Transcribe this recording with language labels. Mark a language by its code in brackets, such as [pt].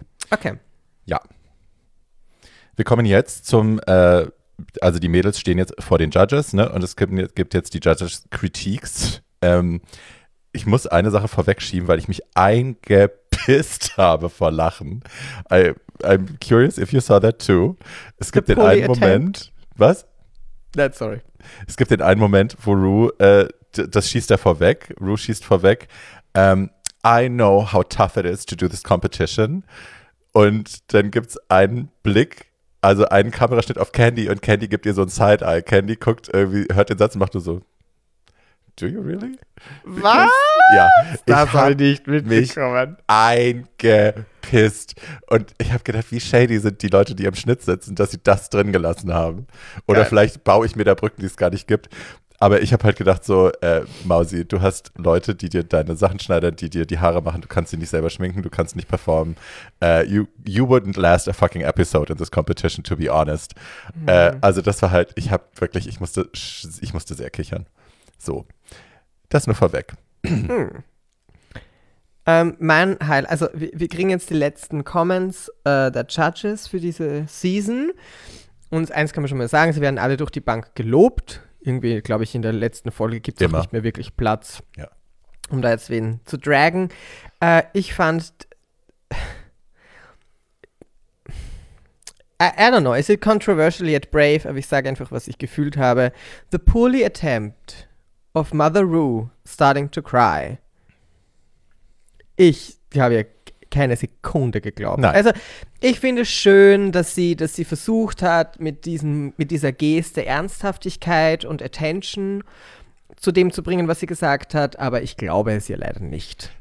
[de] Okay. Ja. Wir kommen jetzt zum, also die Mädels stehen jetzt vor den Judges, ne? Und es gibt jetzt die Judges-Critiques. ich muss eine Sache vorwegschieben, weil ich mich eingepisst habe vor Lachen. [en] I'm curious if you saw that too. [de] Es gibt den einen Moment. Was? [en] That's sorry. [de] Es gibt den einen Moment, wo Rue, das schießt er vorweg. Rue schießt vorweg. [en] I know how tough it is to do this competition. [de] Und dann gibt es einen Blick, also einen Kameraschnitt auf Candy und Candy gibt ihr so ein Side-Eye. Candy guckt irgendwie, hört den Satz und macht nur so, [en] do you really? Because, [de] was? Ja, ich nicht mitbekommen. Eingepisst. Und ich habe gedacht, wie shady sind die Leute, die im Schnitt sitzen, dass sie das drin gelassen haben. Oder geil. Vielleicht baue ich mir da Brücken, die es gar nicht gibt. Aber ich habe halt gedacht so, Mausi, du hast Leute, die dir deine Sachen schneiden, die dir die Haare machen, du kannst sie nicht selber schminken, du kannst nicht performen. [en] You wouldn't last a fucking episode in this competition, to be honest. Mhm. [de] Also das war halt, ich habe wirklich, ich musste sehr kichern. So, das nur vorweg. Mein Heil, also wir kriegen jetzt die letzten Comments der Judges für diese Season. Und eins kann man schon mal sagen, sie werden alle durch die Bank gelobt. Irgendwie, glaube ich, in der letzten Folge gibt es nicht mehr wirklich Platz, ja, um da jetzt wen zu dragen. Ich fand, [en] I don't know, is it controversial yet brave? [de] Aber ich sage einfach, was ich gefühlt habe. [en] The poorly attempt of Mother Rue starting to cry. [de] Ich habe ja keine Sekunde geglaubt. Nein. Also ich finde es schön, dass sie versucht hat, mit dieser Geste Ernsthaftigkeit und Attention zu dem zu bringen, was sie gesagt hat, aber ich glaube es ihr leider nicht.